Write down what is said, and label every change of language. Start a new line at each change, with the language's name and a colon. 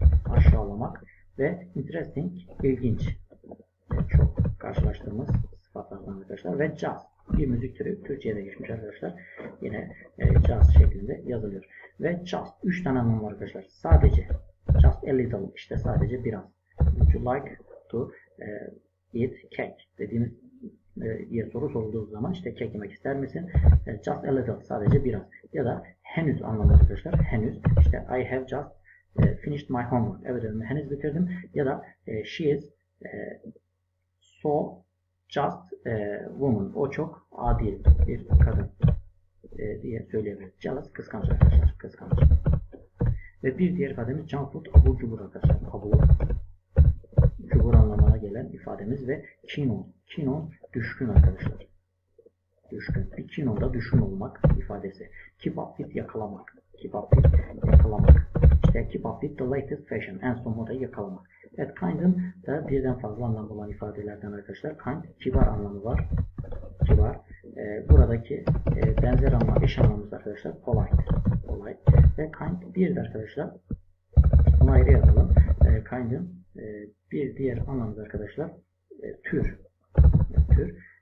Turkish: Aşağılamak ve interesting ilginç. Çok karşılaştığımız sıfatlardan arkadaşlar. Ve jazz bir müzik türü Türkiye'de geçmiş arkadaşlar. Yine jazz şeklinde yazılıyor. Ve just 3 tane anlamı var arkadaşlar. Sadece.
English: Just a little.
Turkish: İşte sadece biraz.
English: Would you like to eat cake?
Turkish: Dediğimiz diye soru sorulduğu zaman işte kek yemek ister misin?
English: Just a little.
Turkish: Sadece biraz. Ya da henüz anlamı arkadaşlar. Henüz.
English: İşte I have just finished my homework.
Turkish: Evet ödevimi henüz bitirdim. Ya da
English: she is so just a woman.
Turkish: O çok adil bir kadın diye söyleyebiliriz. Jealous, kıskanç arkadaşlar. Kıskanç. Ve bir diğer ifademiz junk food, abur cubur arkadaşlar. Abur cubur anlamına gelen ifademiz ve kinon. Kinon düşkün arkadaşlar. Düşkün. Bir kinoda düşkün olmak ifadesi.
English: Keep up with yakalamak. Keep up with yakalamak. İşte keep up with the latest fashion.
Turkish: En son moda yakalamak. Evet, kind'ın da birden fazla anlamı olan ifadelerden arkadaşlar. Kind, kibar anlamı var. Kibar. Buradaki benzer anlamı, eş anlamımız arkadaşlar. Polite. Polite. Ve kind bir de arkadaşlar. Bunu ayrı yazalım. Kind'ın bir diğer anlamı arkadaşlar. Tür. Tür.